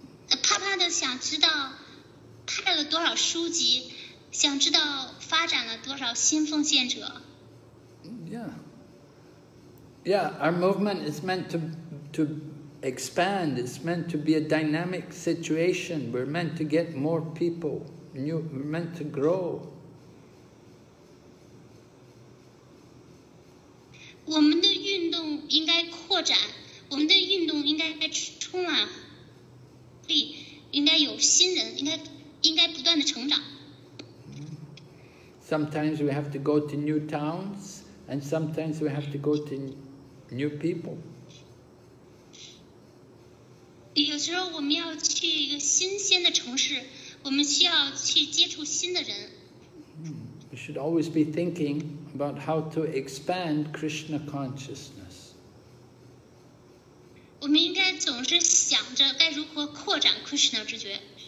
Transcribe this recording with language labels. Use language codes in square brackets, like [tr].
[zh] Prabhupada 想知道派了多少书籍，想知道发展了多少新奉献者。 [en] Yeah, our movement is meant to expand. It's meant to be a dynamic situation. We're meant to get more people. We're meant to grow. [zh] 我们的运动应该扩展，我们的运动应该充满力，应该有新人，应该不断的成长。 [en] Sometimes we have to go to new towns, and sometimes we have to go to new people. [zh] 有时候我们要去一个新鲜的城市，我们需要去接触新的人。 [en] We should always be thinking about how to expand Krishna consciousness. [zh] 我们应该总是想着该如何扩展 Krishna 知觉。